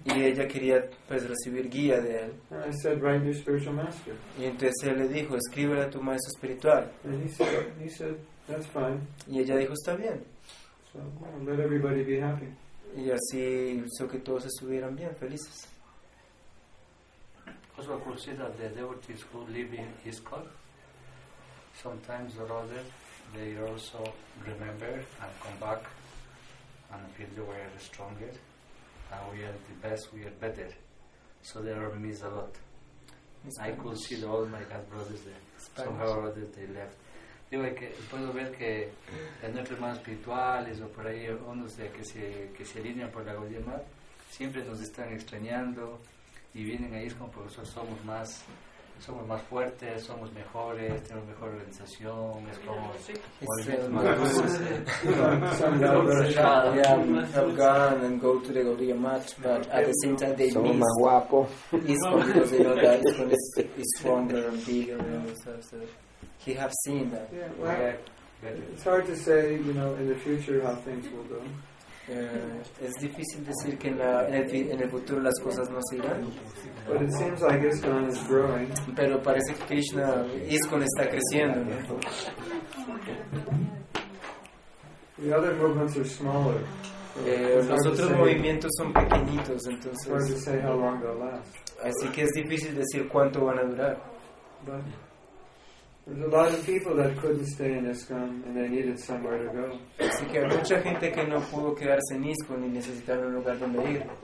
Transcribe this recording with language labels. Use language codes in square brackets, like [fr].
[es] Y ella quería, pues, recibir guía de él. [en] And I said, write your spiritual master. [es] Y entonces él le dijo, escríbele a tu maestro espiritual. [en] And he said, that's fine. [es] Y ella dijo, está bien. [en] So, let everybody be happy. [es] Y así hizo que todos estuvieran bien, felices. [en] Also consider the devotees who live in ISKCON. Sometimes or other, they also remember and come back and feel we are stronger and we are the best, we are better. So they are missed a lot. I could see all my God brothers there. Spanish. Somehow or other they left. [es] Digo, que puedo ver que en nuestros hermanos espirituales o por ahí, unos de que se alinean por la Gaudiya Math, siempre nos están extrañando y vienen a ISKCON porque somos más fuertes, somos mejores, tenemos mejor organización, es como movimientos más dulces. [en] Some and go to the Gaudiya Math, but at the same time they [es] somos más guapos. [en] ISKCON, because they know that ISKCON is stronger and bigger and all stuff. So. He has seen that. Yeah, well, yeah. It's hard to say, you know, in the future how things will go. [es] Es difícil decir que en el futuro las cosas no se irán. [en] But it seems like ISKCON is growing. [es] Pero parece que Krishna, ISKCON está creciendo, ¿no? [en] The other movements are smaller. [es] Los otros movimientos son pequeñitos, entonces. [en] Hard to say how long they'll last. [es] Así que es difícil decir cuánto van a durar. [en] There's a lot of people that couldn't stay in ISKCON and they needed somewhere to go. Así que hay mucha gente que no pudo quedarse en ISKCON y necesitaron un lugar donde ir.